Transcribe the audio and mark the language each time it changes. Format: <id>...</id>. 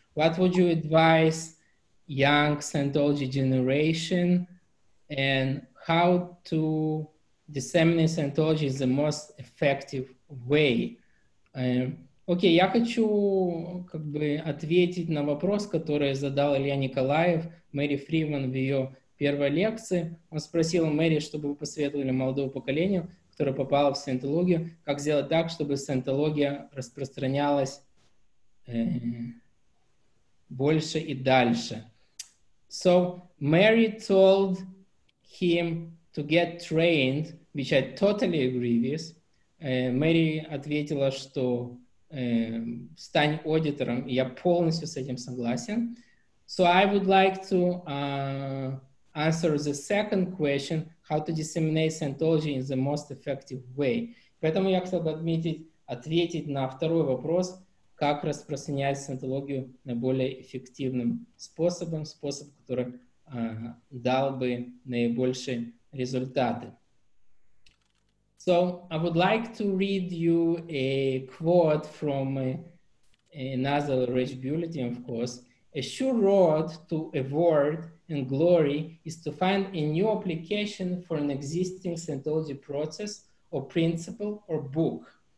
<en>What would you advise young Scientology generation, and how to disseminate Scientology in the most effective way?</en> <ru>Окей, я хочу как бы ответить на вопрос, который задал Илья Николаев Мэри Фриман в ее первой лекции. Он спросил Мэри, чтобы вы посоветовали молодому поколению, которая попала в саентологию, как сделать так, чтобы саентология распространялась больше и дальше.</ru> <en>So Mary told him to get trained, which I totally agree with.</en> <ru>Mary ответила, что стань аудитором, и я полностью с этим согласен.</ru> <en>So I would like to answer the second question, how to disseminate Scientology in the most effective way.</en> <ru>Поэтому я хотел бы ответить на второй вопрос, как распространять Scientology наиболее эффективным способом, способ, который дал бы наибольшие результаты.</ru> <en>So I would like to read you a quote from another Rich Bulletin, of course. A sure road to avoid and glory is to find a new application for an existing Scientology process or principle or book.</en>